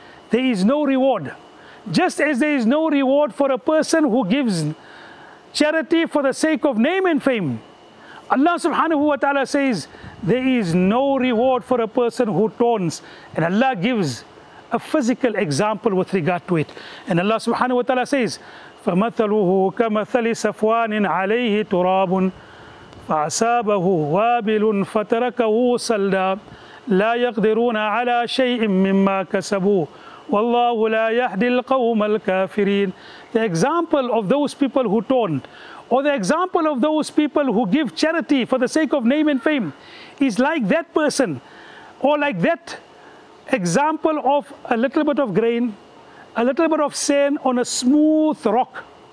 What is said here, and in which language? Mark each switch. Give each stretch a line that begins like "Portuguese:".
English: There is no reward. Just as there is no reward for a person who gives charity for the sake of name and fame, Allah subhanahu wa ta'ala says, there is no reward for a person who taunts. And Allah gives a physical example with regard to it. And Allah subhanahu wa ta'ala says,
Arabic: فَمَثَلُهُ كَمَثَلِ صَفْوَانٍ عَلَيْهِ تُرَابٌ فَأَصَابَهُ وَابِلٌ فَتَرَكَهُ صَلْدًا لَا يَقْدِرُونَ عَلَى شَيْءٍ مِّمَّا كَسَبُوا وَاللَّهُ لَا يَهْدِي الْقَوْمَ الْكَافِرِينَ.
English: The example of those people who taunt, or the example of those people who give charity for the sake of name and fame, is like that person, or like that example of a little bit of grain, a little bit of sand on a smooth rock.